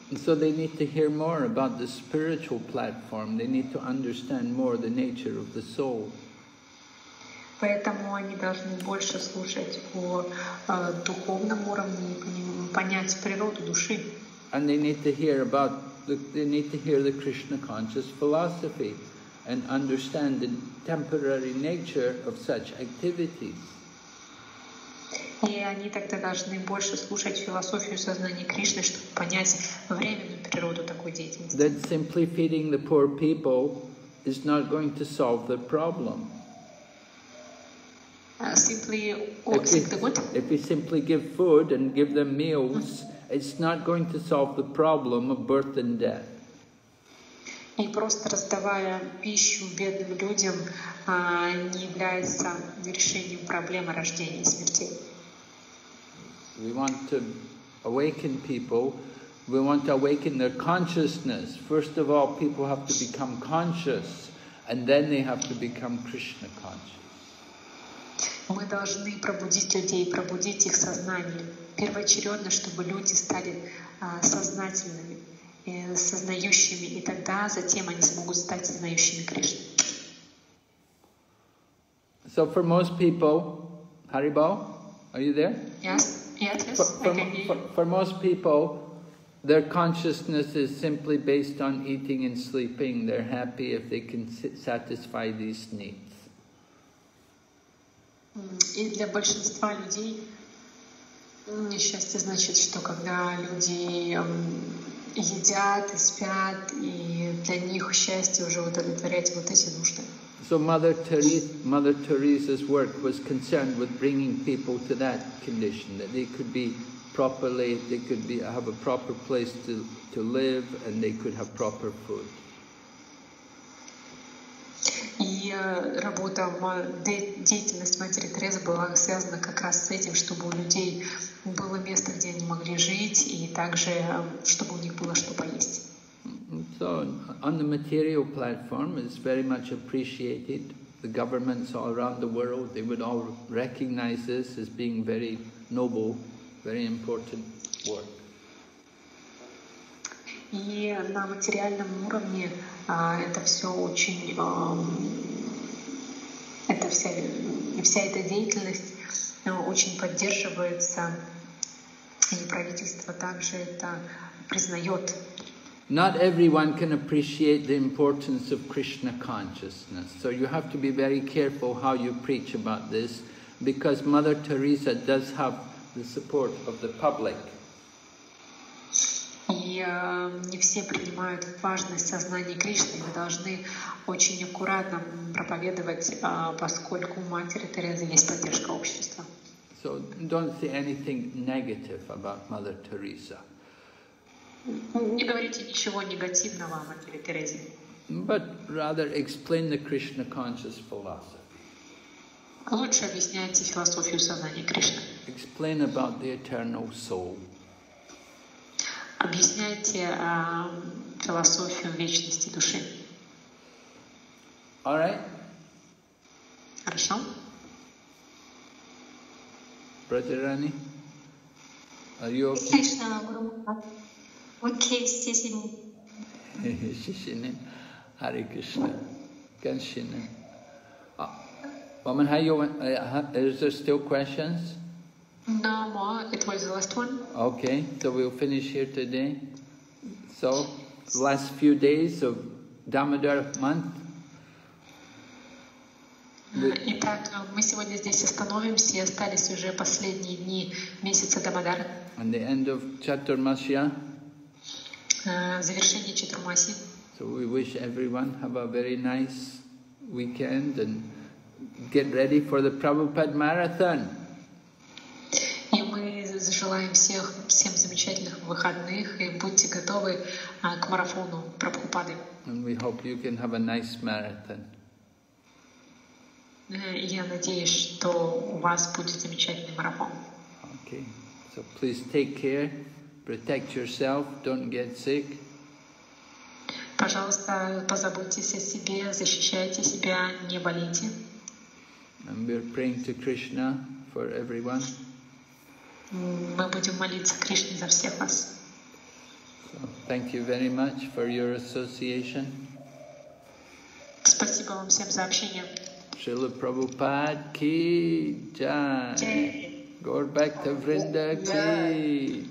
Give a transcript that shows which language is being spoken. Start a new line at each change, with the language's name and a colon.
English: So they need to hear more about the spiritual platform. They need to understand more the nature of the soul.
Russian: Поэтому они должны больше слушать о духовном уровне и понять природу души.
English: And they need to hear the Krishna conscious philosophy. and understand the temporary nature of such activities.
Russian: И они тогда должны больше слушать философию сознания Кришны, чтобы понять временную природу такой деятельности.
English: That simply feeding the poor people is not going to solve the problem. If you simply give food and give them meals, it's not going to solve the problem of birth and death.
Russian: И просто раздавая пищу бедным людям, не является решением проблемы рождения и смерти.
English: We want to awaken people. We want to awaken their consciousness. First of all, people have to become conscious, and then they have to become Krishna conscious.
Russian: Мы должны пробудить людей, пробудить их сознание. Первоочередно, чтобы люди стали сознательными, сознающими, и тогда затем они смогут стать сознающими Кришны.
English: So for most people, Haribol, are you there? Yes. For most people, their consciousness is simply based on eating and sleeping. They're happy if they can satisfy these needs.
Russian: И для большинства людей несчастье значит, что когда люди едят и спят, и для них счастье уже удовлетворять вот эти нужды.
English: So Mother Teresa's work was concerned with bringing people to that condition, that they could be properly, they could be have a proper place to live, and they could have proper food.
Russian: И работа, деятельность Матери Терезы была связана как раз с этим, чтобы у людей было место, где они могли жить, и также, чтобы у них было что поесть.
English: So, on the material platform, it's very much appreciated. The governments all around the world, they would all recognize this as being very noble, very important work.
Russian: И на материальном уровне это все очень, это вся эта деятельность очень поддерживается, и правительство также это признает.
English: Not everyone can appreciate the importance of Krishna consciousness, so you have to be very careful how you preach about this, because Mother Teresa does have the support of the public.
Russian: И не все принимают важность сознания Кришны. Мы должны очень аккуратно проповедовать, поскольку у Матери Терезы есть поддержка общества.
English: So don't say anything negative about Mother Teresa.
Russian: Не говорите ничего негативного о Матери Терезе.
English: But rather explain the Krishna conscious philosophy.
Russian: Лучше объясняйте философию сознания Кришны.
English: Explain about the eternal soul.
Russian: Объясняйте философию вечности души.
English: All right.
Russian: Хорошо.
English: Радхарани, are you okay?
Russian: Кришна, Гуру Махарадж. Окей, Сисини.
English: Сисини, Хари Кришна, Ганшини. Ваман, how you? Is there still questions? No more, it was the last one. Okay, so we'll finish here today. So, the last few days of Damodar month.
Russian: Итак, мы сегодня здесь остановимся, и остались уже последние дни месяца Дамодара.
English: And the end of Chaturmasya.
Russian: Завершение Чатурмаси.
English: So we wish everyone have a very nice weekend and get ready for the Prabhupada Marathon.
Russian: Желаем всем замечательных выходных и будьте готовы к марафону Прабхупады.
English: And we hope you can have a nice marathon.
Russian: Я надеюсь, что у вас будет замечательный марафон.
English: Okay. So please take care, protect yourself, don't get sick.
Russian: Пожалуйста, позаботьтесь о себе, защищайте себя, не болейте.
English: And we're praying to Krishna for everyone.
Russian: Мы будем молиться Кришне за всех вас.
English: So, thank you very much for your association.
Russian: Спасибо вам всем за общение.
Hindi: Шрила Прабхупад ки джай. Джай. Гор Бхакта Вринда ки джай.